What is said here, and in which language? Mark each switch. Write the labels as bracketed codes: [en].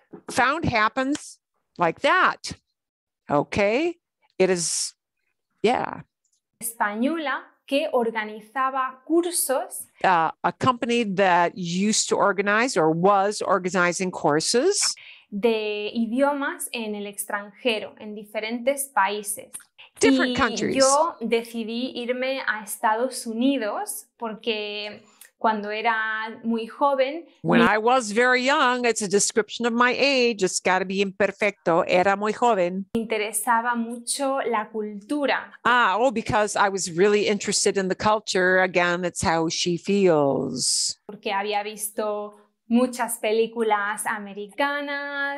[en] Found happens like that. Okay, it is, yeah. [es] Española que organizaba cursos. [en] A company that used to organize or was organizing courses. [es] De idiomas en el extranjero, en diferentes países. [en] Different countries. [es] Y yo decidí irme a Estados Unidos porque cuando era muy joven. [en] When I was very young, it's a description of my age. It's got to be imperfecto. [es] Era muy joven. Interesaba mucho la cultura. [en] Because I was really interested in the culture. Again, it's how she feels. [es] Porque había visto muchas películas americanas.